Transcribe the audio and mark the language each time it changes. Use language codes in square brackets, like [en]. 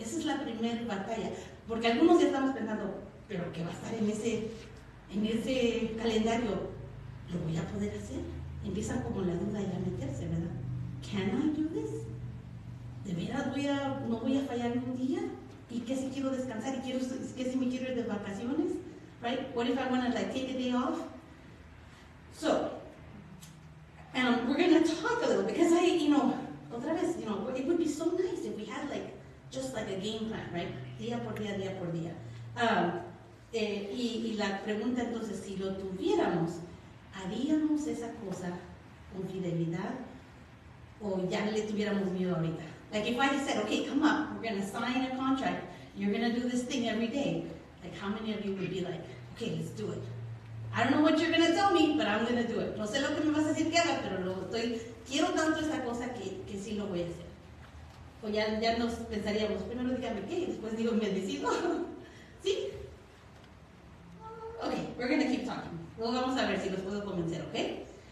[es] Esa es la primera batalla. Porque algunos ya estamos pensando, pero ¿qué va a estar en ese calendario? ¿Lo voy a poder hacer? Empieza como la duda ya a meterse, ¿verdad? [en] Can I do this? [es] ¿De verdad no voy a fallar un día? ¿Y qué si quiero descansar? ¿Y qué si me quiero ir de vacaciones? [en] Right? What if I want to, like, take a day off? So, we're going to talk a little, because [es] otra vez, [en] it would be so nice if we had, like, just like a game plan, right? [es] Día por día, día por día. Y la pregunta entonces, si lo tuviéramos, ¿haríamos esa cosa con fidelidad? O ya le tuviéramos miedo ahorita. [en] Like if I said, okay, come up, we're going to sign a contract, you're going to do this thing every day. Like how many of you would be like, okay, let's do it. I don't know what you're going to tell me, but I'm going to do it. [es] No sé lo que me vas a decir que haga, pero quiero tanto esta cosa que sí lo voy a hacer. O ya nos pensaríamos, primero dígame qué, después digo, me decido. ¿Sí? [en] Okay, we're going to keep talking. [es] Luego vamos a ver si los puedo convencer, [en] okay?